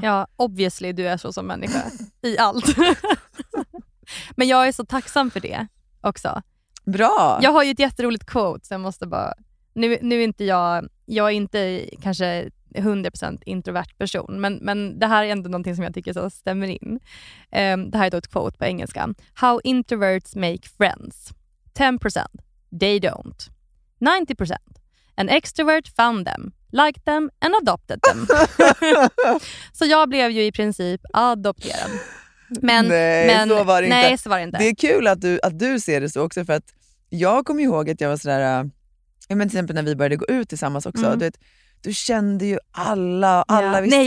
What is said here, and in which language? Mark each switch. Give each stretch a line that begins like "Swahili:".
Swedish: Ja, obviously du är så som människa i allt. Men jag är så tacksam för det också. Bra! Jag har ju ett jätteroligt quote, så jag måste bara, nu är inte jag är inte kanske 100% introvert person, men det här är ändå någonting som jag tycker så stämmer in. Det här är då ett quote på engelska.
English: How introverts make friends. 10% they don't. 90% an extrovert found them, liked them and adopted them.
Swedish: Så jag blev ju i princip adopterad. Men så var det inte. Nej, så var det inte. Det är kul att du ser det så också, för att jag kommer ihåg att jag var sådär, men till exempel när vi började gå ut tillsammans också, du vet, du kände ju alla visste vem